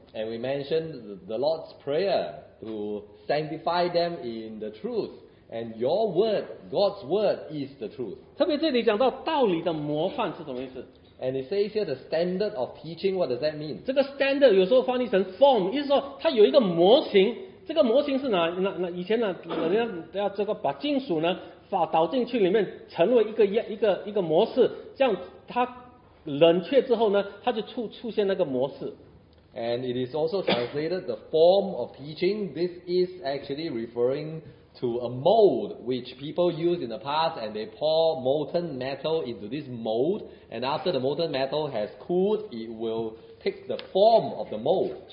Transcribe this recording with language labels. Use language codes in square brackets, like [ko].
[en] And we mentioned the Lord's prayer to sanctify them in the truth. And your word, God's word, is the truth. [zh] 特别这里讲到道理的模范是什么意思？ [en] And it says here the standard of teaching, what does that mean? [zh] 这个 standard 有时候翻译成 form， 意思说它有一个模型。这个模型是哪？以前呢，要这个把金属呢，倒进去里面，成为一个模式，这样它冷却之后呢，它就出现那个模式。 [en] And it is also translated the form of teaching. This is actually referring to a mold which people use in the past, and they pour molten metal into this mold, and after the molten metal has cooled, it will take the form of the mold.